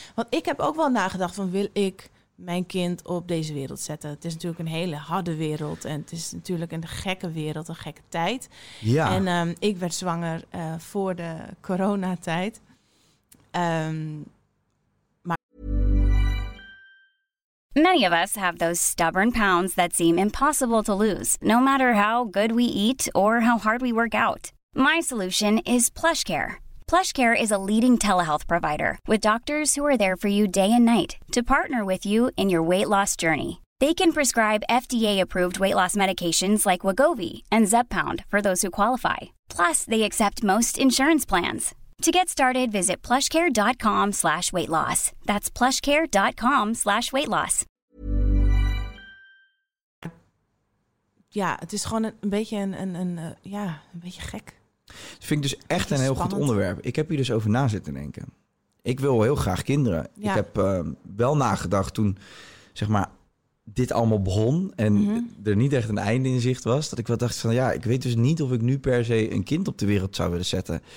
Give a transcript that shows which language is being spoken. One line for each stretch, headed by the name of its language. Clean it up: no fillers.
Dutch: Want ik heb ook wel nagedacht van, wil ik... mijn kind op deze wereld zetten. Het is natuurlijk een hele harde wereld. En het is natuurlijk een gekke wereld, een gekke tijd. Ja. En ik werd zwanger voor de coronatijd. Maar...
English: Many of us have those stubborn pounds that seem impossible to lose, no matter how good we eat or how hard we work out. My solution is PlushCare. PlushCare is a leading telehealth provider with doctors who are there for you day and night to partner with you in your weight loss journey. They can prescribe FDA-approved weight loss medications like Wegovy and Zepbound for those who qualify. Plus, they accept most insurance plans. To get started, visit plushcare.com/weightloss. That's plushcare.com/weightloss.
Dutch: Ja, het is gewoon een beetje gek. Dat vind ik dus echt een heel spannend. Goed onderwerp. Ik heb hier dus over na zitten denken. Ik wil heel graag kinderen. Ja. Ik heb wel nagedacht toen, zeg maar, dit allemaal begon en er niet echt een einde in zicht was, dat ik wel dacht van ja, ik weet dus niet of ik nu per se een kind op de wereld zou willen zetten.